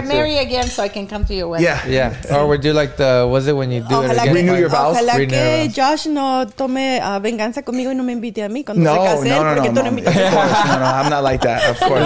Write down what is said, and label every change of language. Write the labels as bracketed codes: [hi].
[en] Get married again so I can come to your wedding. Yeah. Or would you like the, was it when you do it again? Renew your vows? [es] Ojalá que Josh no tome venganza conmigo y no me invite a mí cuando se case. [en] No, I'm not like that, of course.